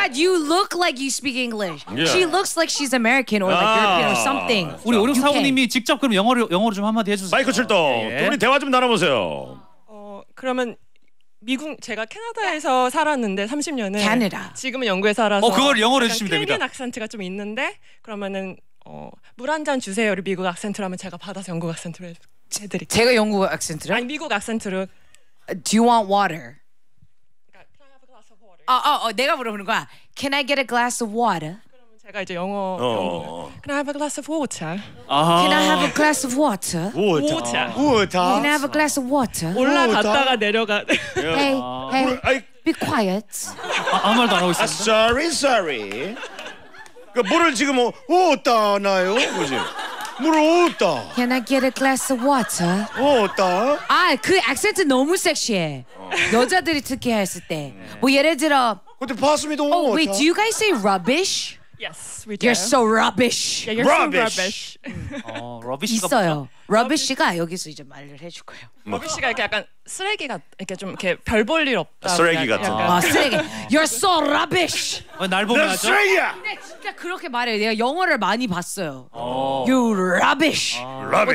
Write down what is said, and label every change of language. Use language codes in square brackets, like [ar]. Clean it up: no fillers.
[en] god, you look like you speak English. Yeah. She looks like she's American or like 아, European or something. [ko] 우리 5640님이 직접 그럼 영어로 좀 한마디 해주세요. 마이크 출동. 네. 우리 대화 좀 나눠보세요. 그러면 미국 제가 캐나다에서 살았는데 30년을 캐나다 지금은 영국에 살아서 그걸 영어로 해주시면 됩니다. 캐나다 악센트가 좀 있는데 그러면은 물 한 잔 주세요를 미국 악센트로 하면 제가 받아서 영국 악센트로 해드릴게요. 제가 영국 악센트로? 아니 미국 악센트로 [en] Do you want water? Can I have a glass of water? [ko] 내가 물어보는 거야. [en] Can I get a glass of water? [ko] 그러면 제가 이제 영어 [en] Can I have a glass of water? Can I have a glass of water? Water. Can I have a glass of water? [ko] 올라갔다가 내려가. [en] Hey. Be quiet. [ko] 아무 말도 안 하고 있어. [en] Sorry. [ko] 그 물을 지금 오다 나요, 뭐지? 물을 오다. [en] Can I get a glass of water? [ko] 오다. 아, 그 액센트 너무 섹시해. 여자들이 특히 했을 때. 뭐 예를 들어. 그때 봤습니다. Oh [en] wait, do you guys say rubbish? Yes, we do. You're so rubbish. Yeah, you're rubbish. So rubbish. rubbish [ko] 있어요. Rubbish가 여기서 이제 말을 해줄 거예요. Rubbish가 이렇게 약간 쓰레기가 이렇게 좀 이렇게 별 볼 일 없다. 쓰레기 같은. [en] 아 쓰레기. You're so rubbish. [ko] 날 보면 나 쓰레기야. 근데 진짜 그렇게 말해요. 내가 영어를 많이 봤어요. [en] You rubbish. Rubbish.